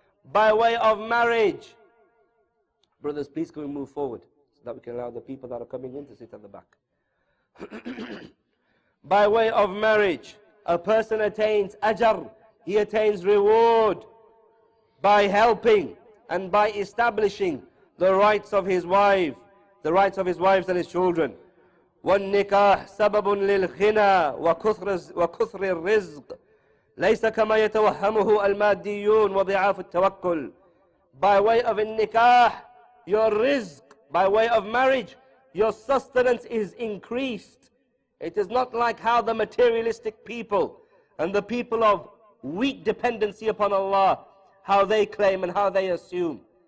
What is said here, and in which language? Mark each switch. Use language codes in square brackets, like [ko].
[en] By way of marriage, brothers, please can we move forward so that we can allow the people that are coming in to sit at the back. By way of marriage, a person attains ajar, he attains reward by helping and by establishing the rights of his wife, the rights of his wives and his children. [ar] والنكاح سبب للغنى وكثر الرزق ليس كما يتوهمه الماديون وضعاف التوكل. [en] By way of النكاح, your rizq, by way of marriage, your sustenance is increased. It is not like how the materialistic people and the people of weak dependency upon Allah, how they claim and how they assume.